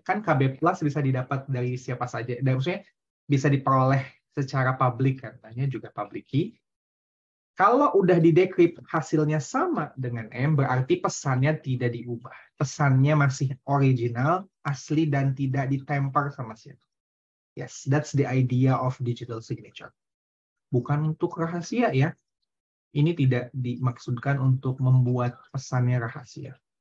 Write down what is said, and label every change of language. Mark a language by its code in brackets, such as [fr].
[id] Kan KB plus bisa didapat dari siapa saja. Dan maksudnya bisa diperoleh secara publik. Katanya juga public key. Kalau udah didekrip hasilnya sama dengan M, berarti pesannya tidak diubah. Pesannya masih original, asli, dan tidak ditemper sama siapa. [en] Yes, that's the idea of digital signature. [id] Bukan untuk rahasia ya. Ini tidak dimaksudkan untuk membuat pesannya rahasia.